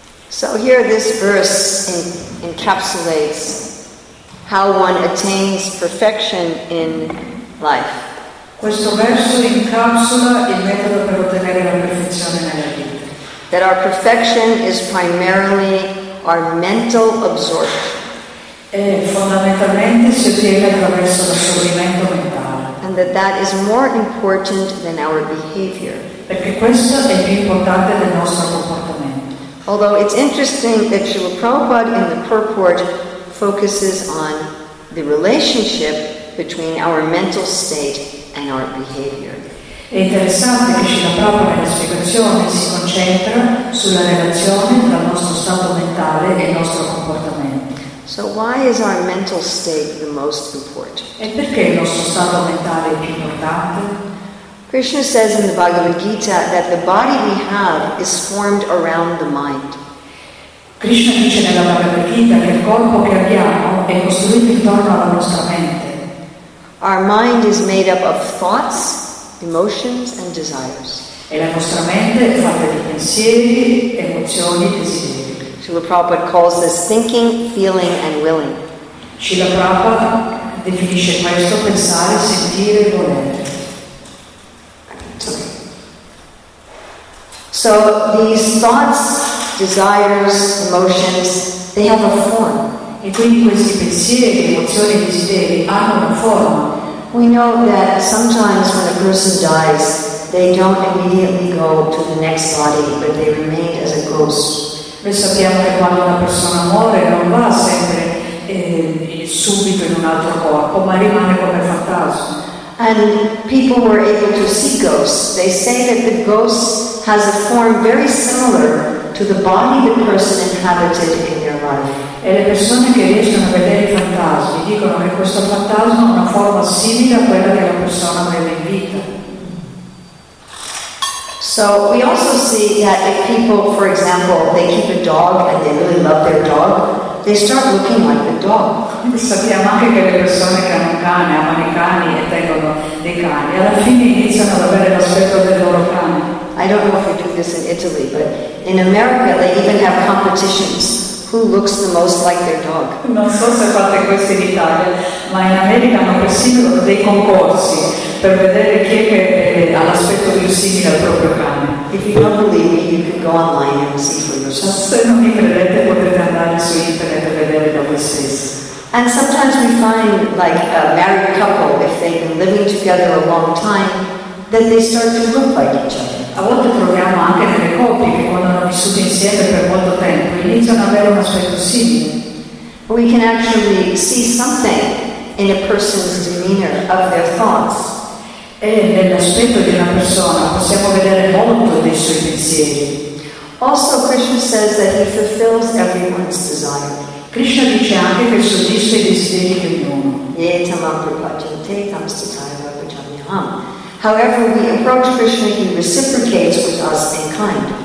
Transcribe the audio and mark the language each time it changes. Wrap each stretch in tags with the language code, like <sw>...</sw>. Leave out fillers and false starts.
<en>So here this verse encapsulates how one attains perfection in life.</en> <it>Questo verso incapsula il metodo per ottenere la perfezione nella vita.</it> <en>That our perfection is primarily our mental absorption.</en> <it>E fondamentalmente si ottiene attraverso l'assorbimento mentale.</it> <en>And that is more important than our behavior.</en> <it>Perché questo è più importante del nostro comportamento.</it> <en>Although it's interesting that Srila Prabhupada in the purport focuses on the relationship between our mental state and our behavior.</en> <it>È interessante che Srila Prabhupada nella spiegazione si concentra sulla relazione tra il nostro stato mentale e il nostro comportamento.</it> <en>So why is our mental state the most important?</en> <it>E perché il nostro stato mentale è più importante?</it> <en>Krishna says in the Bhagavad Gita that the body we have is formed around the mind.</en> <it>Krishna dice nella Bhagavad Gita che il corpo che abbiamo è costruito intorno alla nostra mente.</it> <en>Our mind is made up of thoughts, emotions, and desires.</en> <it>E la nostra mente è fatta di pensieri, emozioni e desideri.</it> <en>Srila Prabhupada calls this thinking, feeling, and willing.</en> <it>Srila Prabhupada definisce questo pensare, sentire e volere.</it> <en>So these thoughts, desires, emotions, they have a form.</en> <it>E quindi questi pensieri, emozioni e desideri hanno una forma.</it> <en>We know that sometimes when a person dies, they don't immediately go to the next body, but they remain as a ghost.</en> <it>Noi sappiamo che quando una persona muore non va sempre subito in un altro corpo, ma rimane come fantasma.</it> <en>And people were able to see ghosts. They say that the ghost has a form very similar to the body the person inhabited in their life. life.</en> <it>E le persone che riescono a vedere i fantasmi dicono che questo fantasma ha una forma simile a quella che la persona aveva in vita.</it> <en>So we also see that if people, for example, they keep a dog and they really love their dog, they start looking like the dog.</en> <it>Sappiamo anche che le persone che hanno un cane, amano i cani e tengono dei cani, alla fine iniziano ad avere l'aspetto del loro cane.</it> <en>I don't know if they do this in Italy, but in America they even have competitions who looks the most like their dog.</en> <it>Non so se fate questo in Italia, ma in America hanno persino dei concorsi per vedere chi è che ha l'aspetto più simile al proprio cane.</it> <en>If you don't believe me, you can go online and see for yourself.</en> <it>Se non mi credete, potete andare su internet e vedere da voi stessi.</it> <en>And sometimes we find, like, a married couple, if they've been living together a long time, then they start to look like each other.</en> <it>A volte troviamo anche nelle coppie che quando hanno vissuto insieme per molto tempo iniziano ad avere un aspetto simile.</it> <en>We can actually see something in a person's demeanor of their thoughts.</en> <it>E nell'aspetto di una persona possiamo vedere molto dei suoi pensieri.</it> <en>Also, Krishna says that he fulfills everyone's desire.</en> <it>Krishna dice anche che soddisfa i desideri di ognuno.</it> <sa>Yetamam prapachyate tamstitaya vachamyaham.</sa> <en>However, we approach Krishna, he reciprocates with us in kind.</en>